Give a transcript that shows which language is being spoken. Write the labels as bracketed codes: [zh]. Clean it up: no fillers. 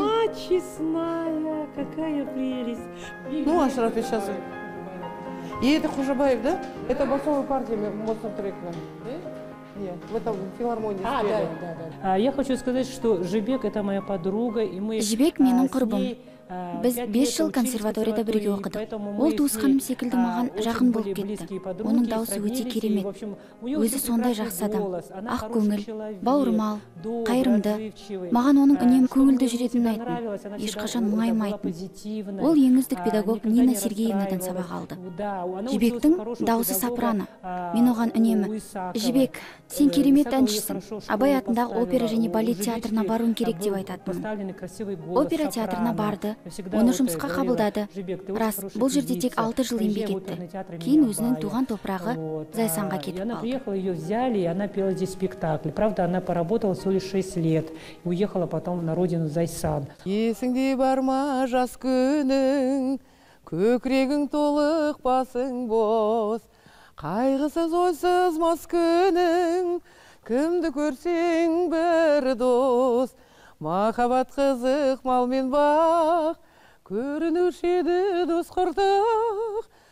[ru] Мать честная, какая прелесть. Ну, Ашраф, я сейчас. И это Хужабаев, да? Это басовая партия Моцарт-трека. Нет, в этом филармонии. Да. Я хочу сказать, что Жебек – это моя подруга. И мы [kk] Жебек – менің құрбым. Біз 5 жыл консерваторияда бірге оқыдық. Ол туысқаным секілді маған жақын болып кетті. Оның дауысы өте керемет. Өзі сондай жақсы адам. Ақ көңіл, бауырмал, қайырымды. Маған оның үнем көңілді жүретінін айтын. Ешқашан мұңаймайтын. Ол еңіздік педагог Нина Сергеевнадан сабақ алды. Жібектің дауысы сопрано. Мен оған үнемі: Жібек, сен керемет әншісің. Абай атындағы опера және балет театрына баруың керек деп айтатынмын. Опера театрына барды. Оны жұмысқа қабылдады. Рас, бұл жерде тек 6 жыл еңбек етті. Кейін өзінің туған топырағы Зайсанға кетіп қалды. [ru] Она приехала, ее взяли, и она пела здесь спектакль. Правда, она поработала всего лишь 6 лет. И уехала потом на родину Зайсан. [kk] Есіңде бар ма жас күнің, көкірегің толық басың бос. Қайғысыз ойсыз мас күнің, кімді көрсең бір дос. Махаббат қызық мал мен бақ, көрінуші еді дос құртық.